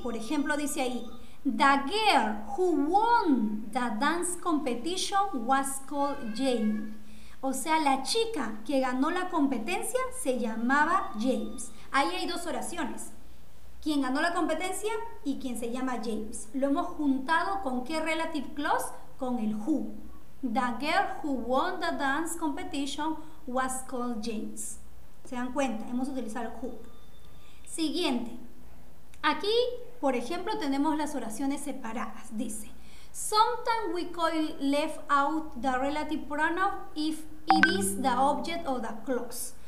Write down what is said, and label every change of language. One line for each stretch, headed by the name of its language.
Spanish: Por ejemplo, dice ahí,
English: the girl who won the dance competition was called Jane.
Spanish: O sea, la chica que ganó la competencia se llamaba James. Ahí hay dos oraciones. ¿Quién ganó la competencia y quién se llama James? Lo hemos juntado con qué relative clause? Con el who.
English: The girl who won the dance competition was called James.
Spanish: ¿Se dan cuenta? Hemos utilizado el who. Siguiente. Aquí, por ejemplo, tenemos las oraciones separadas. Dice,
English: Sometimes we could leave out the relative pronoun if it is the object of the clause.